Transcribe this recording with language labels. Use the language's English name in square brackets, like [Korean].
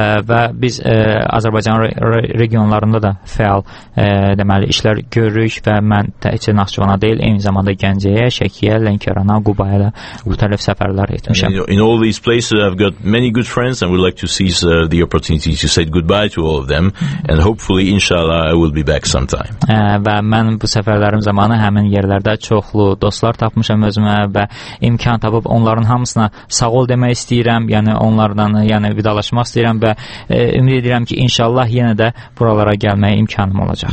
[Azerbaijani] Və biz Azərbaycan regionlarında da fəal deməli işlər görürük və mən təkcə Naxçıvana deyil, eyni zamanda Gəncəyə, Şəkiyə, Lənkərana, Qubaya da müxtəlif səfərlər etmişəm. [English] In all these places I've got many good friends and would like to seize the opportunity to say goodbye to all of them and hopefully inshallah I will be back sometime. [Azerbaijani] Və mən bu səfərlərim zamanı həmin yerlərdə çoxlu dostlar tapmışam özümə və imkan tapıb onların hamısına sağ ol demək istəyirəm, yəni onlardan yəni vidalaşmaq istəyirəm və ümid edirəm ki inşallah yenə də buralara gəlməyə imkanım olacaq.